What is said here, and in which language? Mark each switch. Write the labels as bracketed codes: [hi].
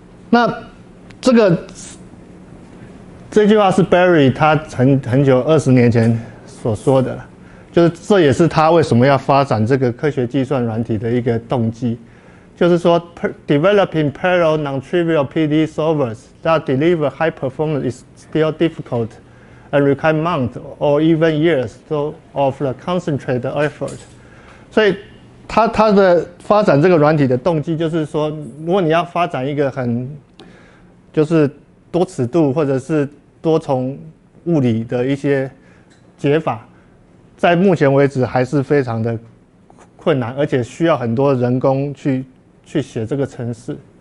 [zh] 那这个这句话是 Barry 他很久20年前所说的，就是这也是他为什么要发展这个科学计算软体的一个动机。就是说 [en] developing parallel non-trivial PD solvers that deliver high performance is still difficult and require months or even years of the concentrated effort. [zh] 所以他的发展这个软体的动机就是说，如果你要发展一个很就是多尺度或者是多重物理的一些解法，在目前为止还是非常的困难，而且需要很多人工去写这个程式。